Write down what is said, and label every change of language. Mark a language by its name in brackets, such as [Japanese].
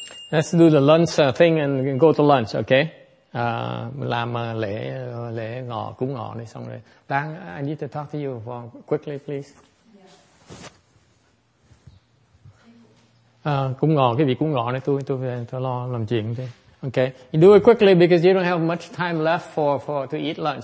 [English] Let's do the lunch thing and go to lunch, okay? [Vietnamese] Làm lễ ngọ, cúng ngọ này xong rồi. [English] Tan, I need to talk to you for quickly, please. [Vietnamese] Cúng ngọ, cái vị cúng ngọ này tôi lo làm chuyện thôi. [English] Okay, you do it quickly because you don't have much time left for to eat lunch.